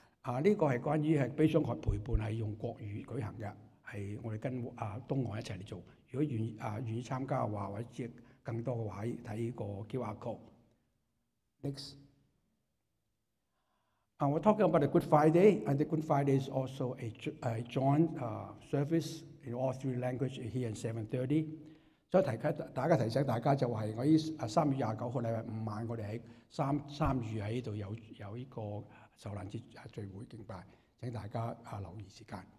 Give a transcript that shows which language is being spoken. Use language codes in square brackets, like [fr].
[zh] 這個是關於悲傷害陪伴是用國語舉行的，是我們跟東岸一起來做，如果願意參加的話，或者更多的話，看這個QR code. [en] Next. We're talking about the Good Friday, and the Good Friday is also a joint service in all three languages here at 7:30. [zh] 所以大家提醒大家，就是我3月29號星期五晚，我們在三月在這裡有一個受難節聚會敬拜，請大家留意時間。